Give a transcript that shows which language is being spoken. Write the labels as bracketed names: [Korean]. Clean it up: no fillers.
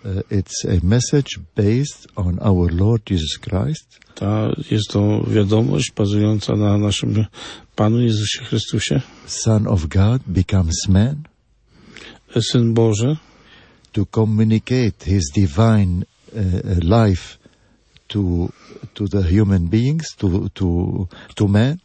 [English] It's a message based on our Lord Jesus Christ. [Polish] Ta jest to wiadomość bazująca na naszym Panu Jezusie Chrystusie. [English] Son of God becomes man. [Polish] Syn Boży. [English] To communicate his divine life to the human beings, to man.